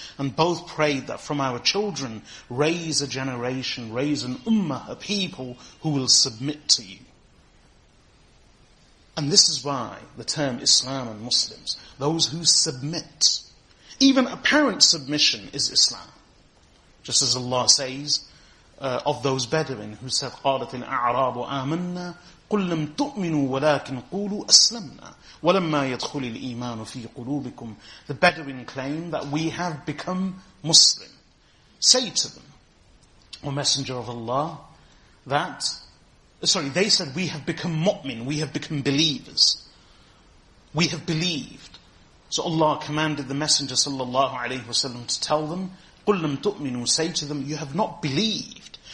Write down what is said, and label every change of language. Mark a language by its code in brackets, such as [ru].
[en] And both prayed that from our children, raise a generation, raise an ummah, a people who will submit to you. And this is why the term Islam and Muslims, those who submit, even apparent submission is Islam. Just as Allah says, of those Bedouin who said, [ar] قَالَتِ الْأَعْرَابُ آمَنَّا قُلْ لَمْ تُؤْمِنُوا وَلَكِنْ قُولُوا أَسْلَمْنَا وَلَمَّا يَدْخُلِ الْإِيمَانُ فِي قُلُوبِكُمْ. [en] The Bedouin claim that we have become Muslim. Say to them, O Messenger of Allah, they said we have become mu'min, we have become believers. We have believed. So Allah commanded the Messenger sallallahu alayhi wasallam to tell them, [ar] قُلْ لَمْ تُؤْمِنُوا, [en] say to them, you have not believed.